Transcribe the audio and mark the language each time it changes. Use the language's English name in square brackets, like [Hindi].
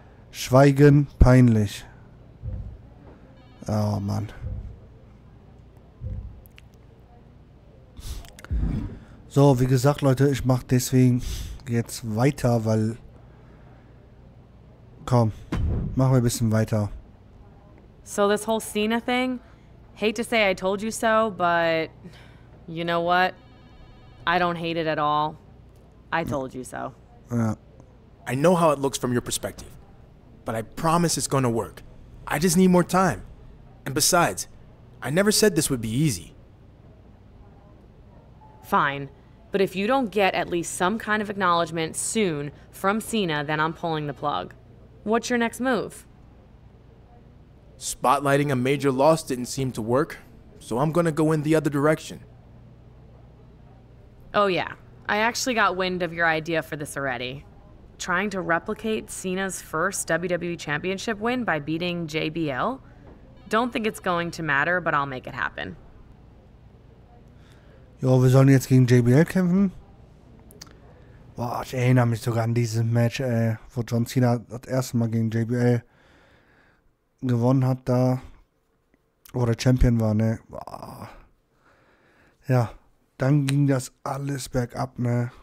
[German] Schweigen, peinlich. Oh Mann. So, wie gesagt, Leute, ich mache deswegen jetzt weiter, weil... Komm, machen wir ein bisschen weiter. [English] So, this whole Cena thing? Hate to say I told you so, but... You know what? I don't hate it at all. I told you so. [German] Ja. [English] I know how it looks from your perspective, but I promise it's gonna work. I just need more time. And besides, I never said this would be easy. Fine, but if you don't get at least some kind of acknowledgement soon from Cena, then I'm pulling the plug. What's your next move? Spotlighting a major loss didn't seem to work, so I'm gonna go in the other direction. Oh yeah, I actually got wind of your idea for this already. Trying to replicate Cena's first WWE Championship win by beating JBL? Don't think it's going to matter, but I'll make it happen. [German] Jo, wir sollen jetzt gegen JBL kämpfen? Boah, ich erinnere mich sogar an dieses Match, wo John Cena das erste Mal gegen JBL gewonnen hat da. Oder Champion war, ne? Boah. Ja, dann ging das alles bergab, ne?